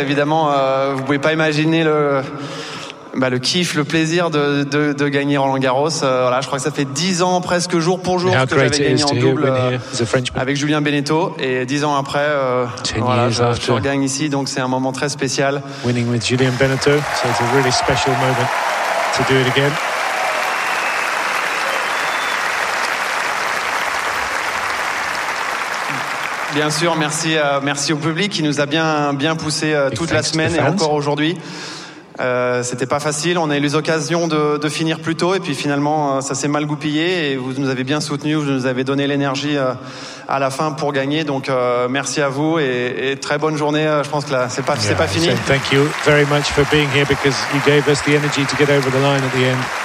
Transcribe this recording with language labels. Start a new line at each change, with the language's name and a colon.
French: Évidemment, vous pouvez pas imaginer le kiff, le plaisir de gagner Roland Garros. Voilà, je crois que ça fait 10 ans presque jour pour jour que j'avais gagné en double avec Julien Beneteau, et 10 ans après, je regagne ici. Donc c'est un moment très spécial.
English: Winning with Julien Beneteau, so it's a really special moment to do it again.
French: Bien sûr, merci au public qui nous a bien poussé toute la semaine et encore aujourd'hui. C'était pas facile, on a eu l'occasion de finir plus tôt, et puis finalement ça s'est mal goupillé, et vous nous avez bien soutenus, vous nous avez donné l'énergie à la fin pour gagner. Donc merci à vous, et très bonne journée. Je pense que là c'est pas fini.
English: So thank you very much for being here, because you gave us the energy to get over the line at the end.